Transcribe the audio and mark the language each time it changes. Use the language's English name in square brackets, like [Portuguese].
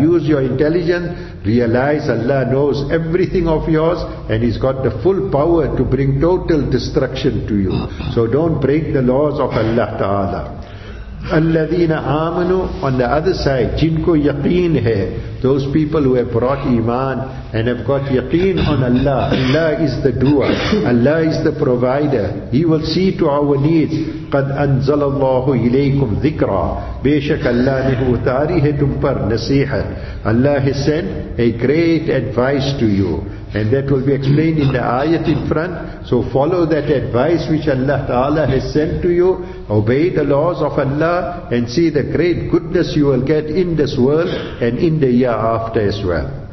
[English] Use your intelligence, realize Allah knows everything of yours, and He's got the full power to bring total destruction to you. So don't break the laws of Allah Ta'ala. [Arabic] الَّذِينَ آمَنُوا [English] On the other side, [Urdu] جِن کو يَقِين ہے [English] Those people who have brought iman and have got yaqeen on Allah. Allah is the doer. Allah is the provider. He will see to our needs. [Arabic] قَدْ أَنزَلَ اللَّهُ إِلَيْكُمْ ذِكْرًا [Urdu] بے شک اللہ نے اتاری ہے تم پر نصیحت [English] Allah has sent a great advice to you. And that will be explained in the ayat in front. So follow that advice which Allah Ta'ala has sent to you. Obey the laws of Allah and see the great goodness you will get in this world and in the year after as well.